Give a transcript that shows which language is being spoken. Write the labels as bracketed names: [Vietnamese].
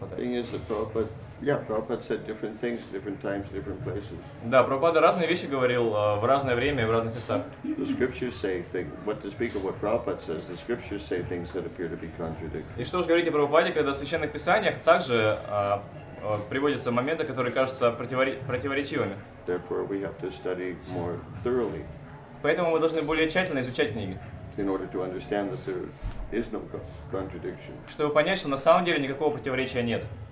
[English] The thing is that Prabhupada said different things at different times, different places. [Russian] Да, Прабхупада разные вещи говорил в разное время и в разных местах. [English] The scriptures say things. What to speak of what Prabhupada says, the scriptures say things that appear to be contradictory. [Russian] И что же говорить о Прабхупаде, когда в священных писаниях также приводятся моменты, которые кажутся противоречивыми. [English] Therefore, we have to study more thoroughly. [Russian] Поэтому мы должны более тщательно изучать книги. [English] In order to understand that there is no contradiction. [Russian] Чтобы понять, что на самом деле никакого противоречия нет.